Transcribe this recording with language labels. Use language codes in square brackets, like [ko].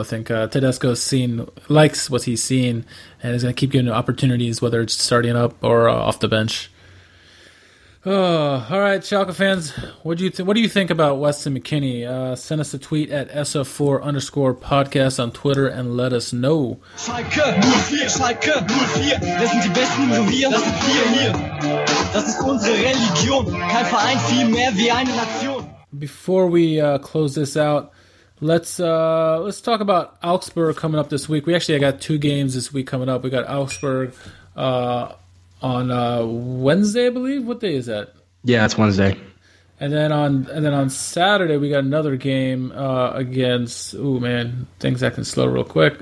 [en] I think Tedesco's seen, likes what he's seen, and is going to keep giving him opportunities, whether it's starting up or off the bench. All right, Schalke fans, what do you think about Weston McKennie? Send us a tweet at SF4_podcast on Twitter and let us know. [de] Schalke 04, Schalke 04, wir sind die Besten, nur wir, das sind wir hier. Das ist unsere Religion, kein Verein, viel mehr wie eine Nation. [en] Before we close this out, let's talk about Augsburg coming up this week. We actually got two games this week coming up. We got Augsburg on Wednesday, I believe. What day is that? Yeah, it's Wednesday. And then on Saturday we got another game against things that can slow real quick.